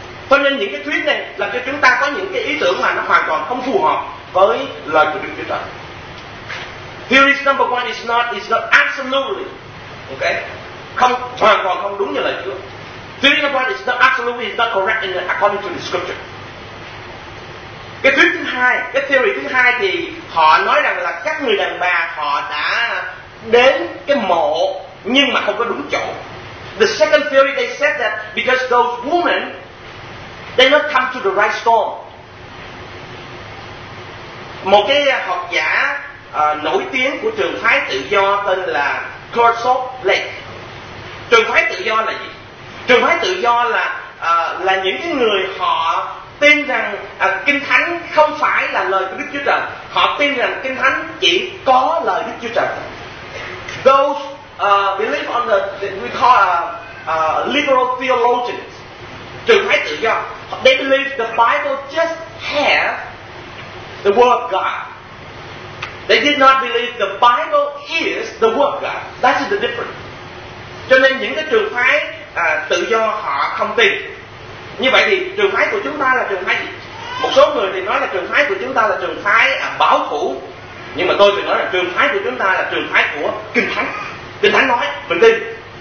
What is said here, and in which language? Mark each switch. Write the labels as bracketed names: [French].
[Vietnamese] Cho nên những cái thuyết này làm cho chúng ta có những cái ý tưởng mà nó hoàn toàn không phù hợp với lời của Đức Chúa Trời. [English] Theory number one is not absolutely, okay, [Vietnamese] không hoàn toàn không đúng như lời Chúa. [English] Theory number one is not absolutely, is not correct in the, according to the scripture. [Vietnamese] Cái thuyết thứ hai, cái theory thứ hai thì họ nói rằng là các người đàn bà họ đã đến cái mộ nhưng mà không có đúng chỗ. [English] The second theory they said that because those women they not come to the right stone. [Vietnamese] Một cái học giả nổi tiếng của trường phái tự do tên là Kurtzop Lake. Trường phái tự do là gì? Trường phái tự do là những cái người họ tin rằng Kinh Thánh không phải là lời của Đức Chúa Trời. Họ tin rằng Kinh Thánh chỉ có lời Đức Chúa Trời. [English] Those believe on the we call liberal theologians. [Vietnamese] Trường phái tự do. [English] They believe the Bible just have the word of God. They did not believe the Bible is the word of God. That's the difference. [Vietnamese] Cho nên những cái trường phái tự do họ không tin. Như vậy thì trường phái của chúng ta là trường phái gì? Một số người thì nói là trường phái của chúng ta là trường phái bảo thủ. Nhưng mà tôi thì nói là trường phái của chúng ta là trường phái của Kinh Thánh. Kinh Thánh nói, mình tin.